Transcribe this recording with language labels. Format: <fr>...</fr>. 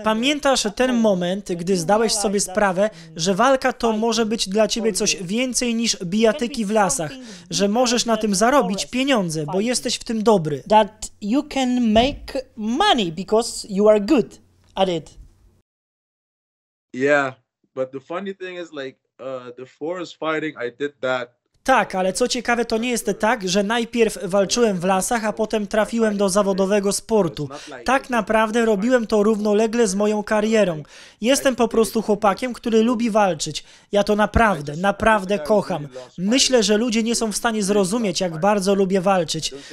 <pl>Pamiętasz ten moment, gdy zdałeś sobie sprawę, że walka to może być dla ciebie coś więcej niż bijatyki w lasach, że możesz na tym zarobić pieniądze, bo jesteś w tym dobry.</pl> <en>That you can make money because you are good at it. Yeah, but the funny thing is like the forest fighting, I did that.</en> <pl>Tak, ale co ciekawe, to nie jest tak, że najpierw walczyłem w lasach, a potem trafiłem do zawodowego sportu. Tak naprawdę robiłem to równolegle z moją karierą. Jestem po prostu chłopakiem, który lubi walczyć. Ja to naprawdę, naprawdę kocham. Myślę, że ludzie nie są w stanie zrozumieć, jak bardzo lubię walczyć.</pl>